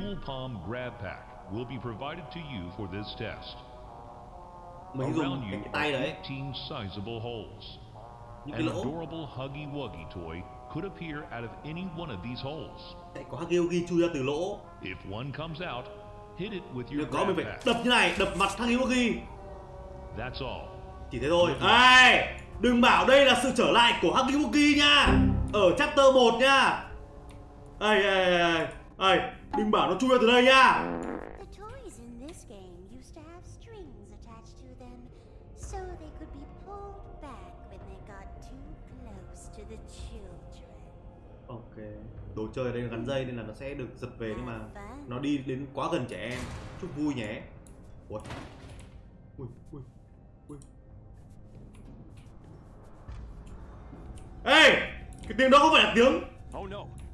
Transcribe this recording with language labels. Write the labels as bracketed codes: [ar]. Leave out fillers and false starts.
[en] A dual palm grab pack will be provided to you for this test. [vi] Mình dùng cái tay đấy. [en] 18 sizable holes. An adorable Huggy Wuggy toy could appear out of any one of these holes. [vi] Có Huggy Wuggy chui ra từ lỗ. [en] If one comes out, hit it with your grab pack. [vi] Đập như này, đập mặt Huggy Wuggy. [en] That's all. [vi] Chỉ thế thôi. Ê! Đừng bảo đây là sự trở lại của Huggy Wuggy nha. Ở chapter 1 nha. Ê, đừng bảo nó chui ra từ đây nha. [en] The toys in this game used to have strings attached to them so they could be pulled back when they got too close to the children. Ok. [vi] Đồ chơi ở đây gắn dây nên là nó sẽ được giật về nhưng mà nó đi đến quá gần trẻ em. Chúc vui nhé. Ui. Ê! Cái tiếng đó không phải là tiếng. [en] Oh no.